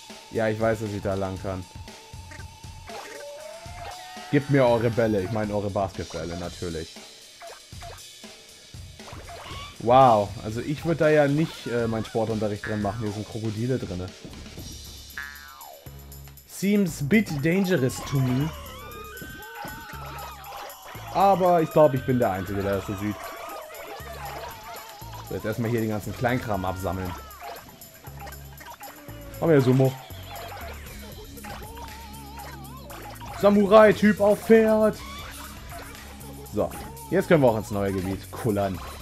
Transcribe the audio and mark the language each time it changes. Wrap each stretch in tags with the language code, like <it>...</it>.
<de>Ja, ich weiß, dass ich da lang kann. Gebt mir eure Bälle. Ich meine eure Basketbälle, natürlich. Wow, also ich würde da ja nicht meinen Sportunterricht drin machen. Hier sind Krokodile drin.</de> <en>Seems a bit dangerous to me.</en> <de>Aber ich glaube, ich bin der Einzige, der das so sieht. So, jetzt erstmal hier den ganzen Kleinkram absammeln. Komm her, Sumo. Samurai-Typ auf Pferd. So, jetzt können wir auch ins neue Gebiet kullern.</de>